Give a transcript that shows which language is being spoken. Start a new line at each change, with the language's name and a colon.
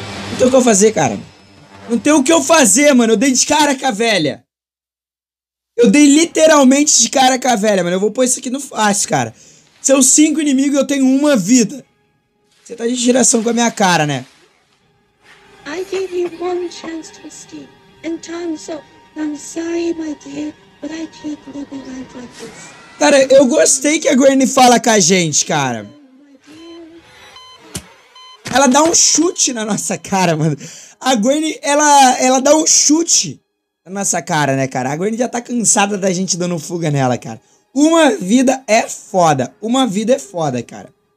Portuguese: Não tem o que eu fazer, cara. Não tem o que eu fazer, mano. Eu dei de cara com a velha. Eu dei literalmente de cara com a velha, mano. Eu vou pôr isso aqui no fácil, cara. São 5 inimigos e eu tenho uma vida. Você tá de geração com a minha cara, né?
English: I gave you one chance to escape. And time, so I'm sorry, my dear, but I can't live a life like this.
Portuguese: Cara, eu gostei que a Granny fala com a gente, cara. Ela dá um chute na nossa cara, mano. A Granny, ela dá um chute na nossa cara, né, cara? A Granny já tá cansada da gente dando fuga nela, cara. Uma vida é foda. Uma vida é foda, cara.